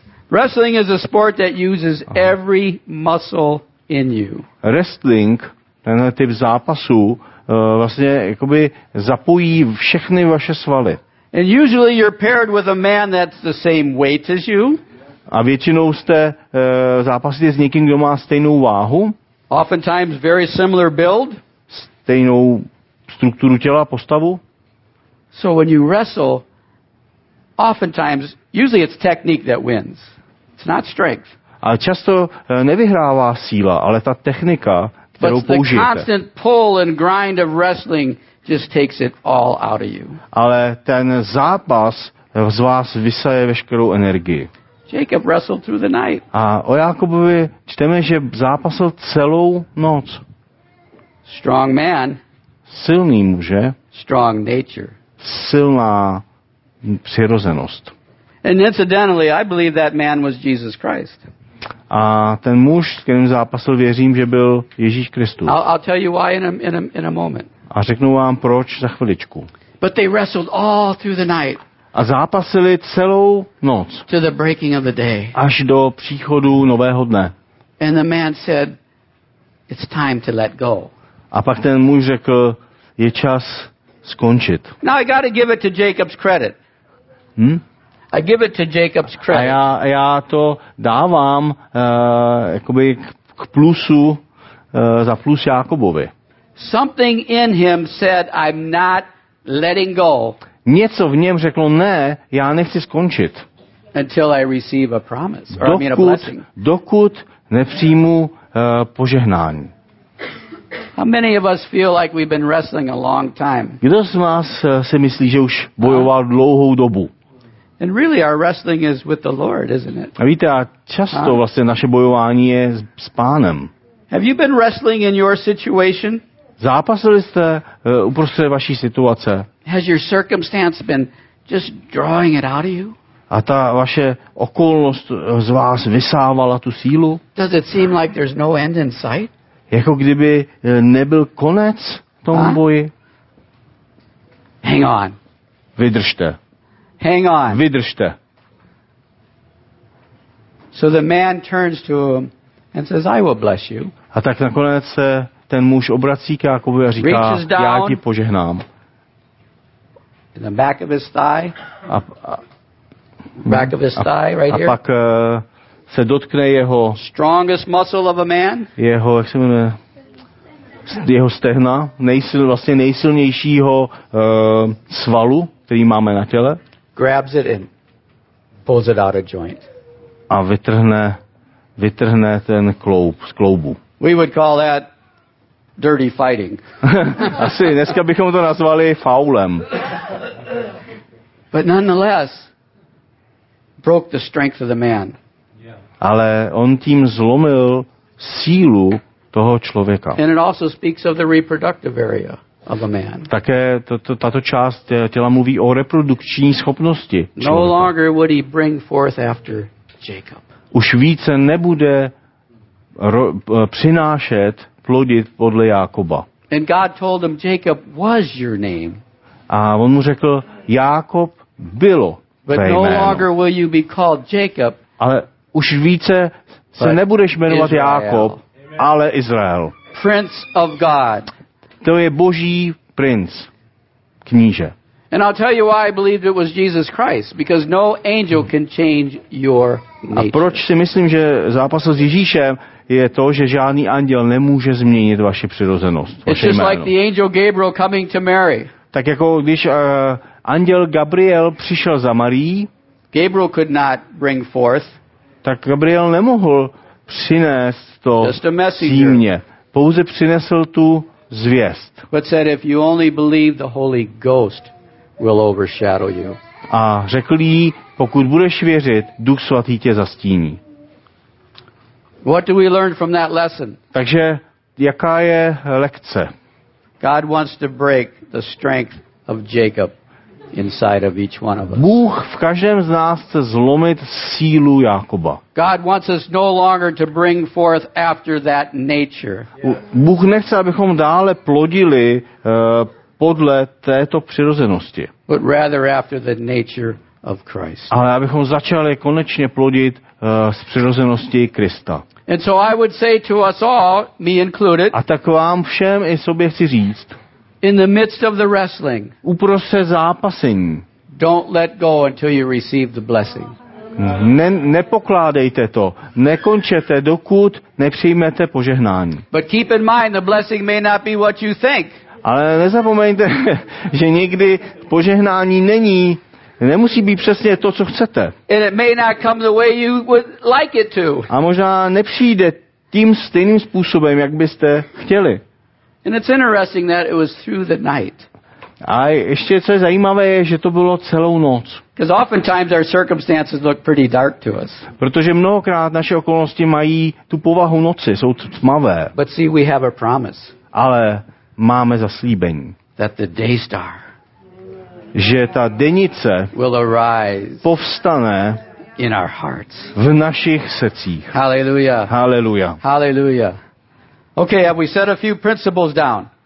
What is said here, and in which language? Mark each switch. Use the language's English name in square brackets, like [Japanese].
[English] Wrestling is a sport that uses every muscle in you. [Czech] Wrestling, tenhle typ zápasu, vlastně jakoby zapojí všechny vaše svaly. [English] And usually you're paired with a man that's the same weight as you. [Czech] A většinou jste zápasíte s někým, kdo má stejnou váhu. [English] Oftentimes very similar build. [Czech] Stejnou strukturu těla, postavu. [English] So when you wrestle, oftentimes, usually it's technique that wins. It's not strength. [Czech] A často nevyhrává síla, ale ta technika, kterou použijete. [English] But the constant pull and grind of wrestling just takes it all out of you. [Czech] Ale ten zápas z vás vysaje veškerou energii. [English] Jacob wrestled through the night. [Czech] A o Jákobovi čteme, že zápasil celou noc. [English] Strong man. [Czech] Silný muže. [English] Strong nature. [Czech] Silná přirozenost. [English] And incidentally, I believe that man was Jesus Christ. [Czech] A ten muž, s kterým zápasil, věřím, že byl Ježíš Kristus. [English] I'll tell you why in a moment. [Czech] A řeknu vám proč za chviličku. [English] But they wrestled all through the night. [Czech] A zápasili celou noc. [English] To the breaking of the day. [Czech] Až do příchodu nového dne. [English] And the man said, it's time to let go. [Czech] A pak ten muž řekl, je čas skončit. [English] Now I gotta give it to Jacob's credit. I give it to Jacob's credit. [Czech] A já to dávám jakoby k plusu, za plus Jákobovi. [English] Something in him said, I'm not letting go. [Czech] Něco v něm řeklo, ne, já nechci skončit. [English] Until I receive a promise, or a blessing. [Czech] Dokud nepřijmu požehnání. [English] How many of us feel like we've been wrestling a long time? [Czech] Kdo z vás si myslí, že už bojoval dlouhou dobu? [English] And really our wrestling is with the Lord, isn't it? [Czech] A víte, a často vlastně naše bojování je s Pánem. [English] Have you been wrestling in your situation? [Czech] Zápasili jste uprostřed vaší situace? [English] Has your circumstance been just drawing it out of you? [Czech] A ta vaše okolnost z vás vysávala tu sílu? [English] Does it seem like there's no end in sight? [Czech] Jako kdyby nebyl konec tomu boji? [English] Hang on. [Czech] Vydržte. [English] Hang on. [Czech] Vydržte. [English] So the man turns to him and says, I will bless you. [Czech] A tak nakonec se ten muž obrací k Jákobu a říká, já ti požehnám. [English] In the back of his thigh. Back of his thigh, right here. [Czech] A pak se dotkne jeho [English] strongest muscle of a man. [Czech] Jeho, jak se jmenuje? jeho stehna, vlastně nejsilnějšího svalu, který máme na těle. [English] Grabs it and pulls it out of joint. [Czech] A vytrhne ten kloub z kloubu. [English] We would call that dirty fighting. [Czech] Asi dneska bychom to nazvali faulem. [English] But nonetheless, broke the strength of the man. [Czech] Ale on tím zlomil sílu toho člověka. [English] And it also speaks of the reproductive area of a man. [Czech] Také tato část těla mluví o reprodukční schopnosti člověka. [English] No longer would he bring forth after Jacob. [Czech] Už více nebude přinášet plodit podle Jákoba. [English] And God told him, Jacob was your name. [Czech] A on mu řekl, Jákob bylo tvé jméno. [English] But no longer will you be called Jacob. [Czech] Ale už více se nebudeš jmenovat [English] Israel. [Czech] Jákob, ale Izrael. [English] Prince of God. [Czech] To je Boží princ, kníže. [English] And I'll tell you why I believed it was Jesus Christ, because no angel can change your nature. [Czech] A proč si myslím, že zápas s Ježíšem je to, že žádný anděl nemůže změnit vaši přirozenost, vaše jméno. [English] It's just like the angel Gabriel coming to Mary. [Czech] Tak jako když anděl Gabriel přišel za Marii, [English] Gabriel could not bring forth. [Czech] Tak Gabriel nemohl přinést to símě. Pouze přinesl tu zvěst. [English] But said if you only believe the Holy Ghost will overshadow you. [Czech] A řekl jí, pokud budeš věřit, Duch svatý tě zastíní. [English] What do we learn from that lesson? [Czech] Takže jaká je lekce? [English] God wants to break the strength of Jacob inside of each one of us. [Czech] Bůh v každém z nás chce zlomit sílu Jákoba. [English] God wants us no longer to bring forth after that nature. [Czech] Bůh nechce, abychom dále plodili podle této přirozenosti. [English] But rather after the nature of Christ. [Czech] Ale abychom začali konečně plodit z přirozenosti Krista. [English] And so I would say to us all, me included. [Czech] A tak vám všem i sobě chci říct. [English] In the midst of the wrestling. [Czech] Uprostřed zápasení. [English] Don't let go until you receive the blessing. [Czech] Nepokládejte to. Nekončete, dokud nepřijmete požehnání. [English] But keep in mind the blessing may not be what you think. [Czech] Ale nezapomeňte, že někdy požehnání nemusí být přesně to, co chcete. [English] And it may not come the way you would like it to. [Czech] A možná nepřijde tím stejným způsobem, jak byste chtěli. [English] And it's interesting that it was through the night. [Czech] A ještě co je zajímavé je, že to bylo celou noc. [English] Because oftentimes our circumstances look pretty dark to us. [Czech] Protože mnohokrát naše okolnosti mají tu povahu noci, jsou tmavé. [English] But see, we have a promise. [Czech] Ale máme zaslíbení. [English] That the day star. [Czech] Že ta denice [English] will arise. [Czech] Povstane [English] in our hearts. [Czech] V našich srdcích. [English] Hallelujah. Hallelujah. Hallelujah. Okay, have we set a few principles down?